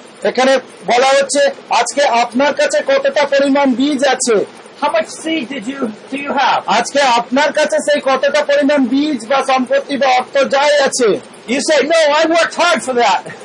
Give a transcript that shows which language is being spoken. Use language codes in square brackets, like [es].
[bn] এখানে বলা হচ্ছে আজকে আপনার কাছে কতটা পরিমাণ বীজ আছে [en] How much seed do you have? [bn] আজকে আপনার কাছে সেই কতটা পরিমাণ বীজ বা সম্পত্তি বা অর্থ যাই আছে [en] You say, no, I worked hard for that.